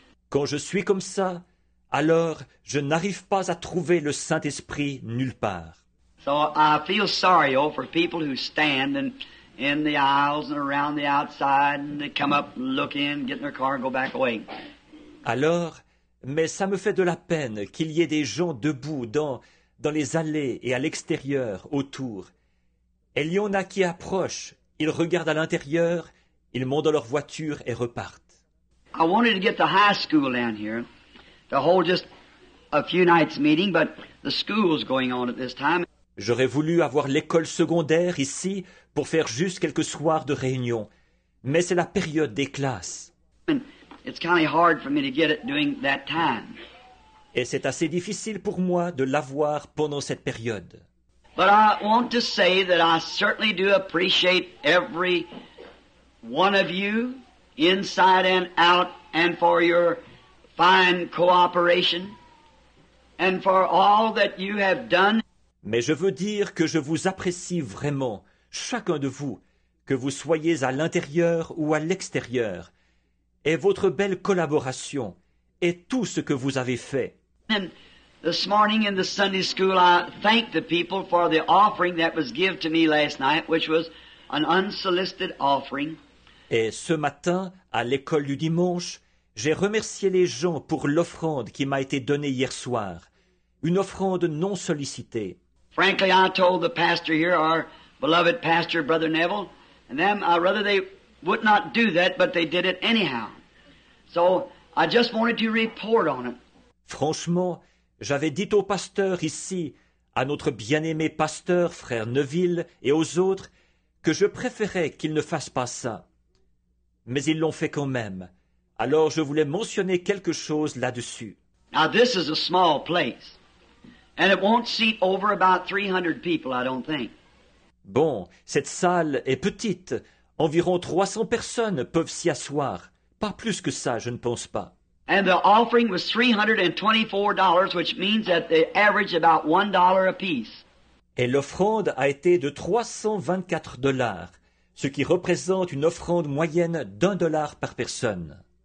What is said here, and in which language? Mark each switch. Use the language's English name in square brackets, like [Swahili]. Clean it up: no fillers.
[French] Quand je suis comme ça, alors je n'arrive pas à trouver le Saint-Esprit nulle part. [English] So I feel sorry for people who stand and in the aisles and around the outside, and they come up, look in, get in their car and go back away. [French] Alors, mais ça me fait de la peine qu'il y ait des gens debout dans les allées et à l'extérieur, autour. Et il y en a qui approchent, ils regardent à l'intérieur, ils montent dans leur voiture et repartent. [English] I wanted to get the high school down here to hold just a few nights meeting, but the school's going on at this time. [French] J'aurais voulu avoir l'école secondaire ici pour faire juste quelques soirs de réunion, mais c'est la période des classes. [English] And it's kind of hard for me to get it during that time. [French] Et c'est assez difficile pour moi de l'avoir pendant cette période. [English] But I want to say that I certainly do appreciate every one of you, inside and out, and for your fine cooperation, and for all that you have done. [French] Mais je veux dire que je vous apprécie vraiment, chacun de vous, que vous soyez à l'intérieur ou à l'extérieur, et votre belle collaboration, et tout ce que vous avez fait. [English] And this morning in the Sunday school, I thanked the people for the offering that was given to me last night, which was an unsolicited offering. [French] Et ce matin, à l'école du dimanche, j'ai remercié les gens pour l'offrande qui m'a été donnée hier soir, une offrande non sollicitée. [English] Frankly, I told the pastor here, our beloved pastor, Brother Neville, and them, I'd rather they would not do that, but they did it anyhow. So I just wanted to report on it. [French] Franchement, j'avais dit au pasteur ici, à notre bien-aimé pasteur, frère Neville, et aux autres, que je préférais qu'ils ne fassent pas ça. Mais ils l'ont fait quand même. Alors je voulais mentionner quelque chose là-dessus. [English] Now this is a small place, and it won't seat over about 300 people, I don't think. [French] Bon, cette salle est petite. Environ 300 personnes peuvent s'y asseoir. Pas plus que ça, je ne pense pas. [English] And the offering was $324, which means that they average about $1 a piece. [French] Et l'offrande a été de $324, ce qui représente une offrande moyenne $1 par personne.